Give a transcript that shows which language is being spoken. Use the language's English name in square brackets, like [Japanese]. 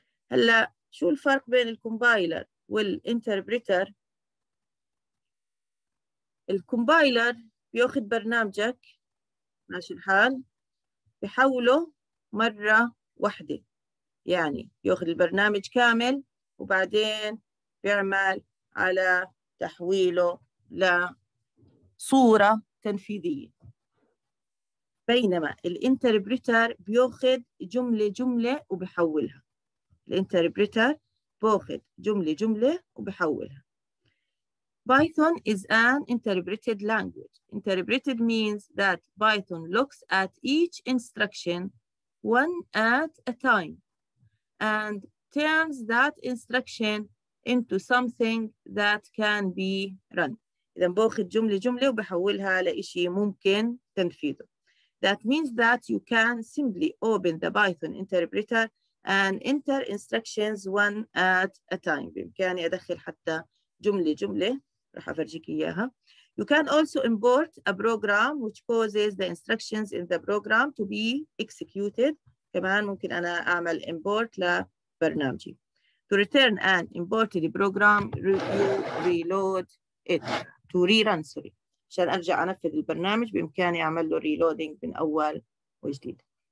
[Arabic] هلأ شو الفرق بين الكومبايلر والإنتربريتر؟ الكومبايلر بيأخذ برنامجك ماشي الحال بيحوله مرة واحدة، يعني يأخذ البرنامج كامل وبعدين بيعمل على تحويله لصورة تنفيذية، بينما الانتربريتر بيأخذ جملة جملة وبيحولها. الانتربريتر بيأخذ جملة جملة وبيحولها. [English] Python is an interpreted language. Interpreted means that Python looks at each instruction one at a time and turns that instruction into something that can be run. [Arabic] إذا بأخذ جملة جملة وبحولها لإشي ممكن تنفيذه. [English] That means that you can simply open the Python interpreter and enter instructions one at a time. [Arabic] بإمكاني أدخل حتى جملة جملة، رح أفرجيك إياها. [English] You can also import a program which causes the instructions in the program to be executed. [Arabic] كمان ممكن أنا أعمل import لبرنامجي. [English] To return an imported program, reload it. To rerun, sorry. [Arabic] عشان أرجع أنفذ البرنامج بإمكاني أعمل له reloading من أول وجديد.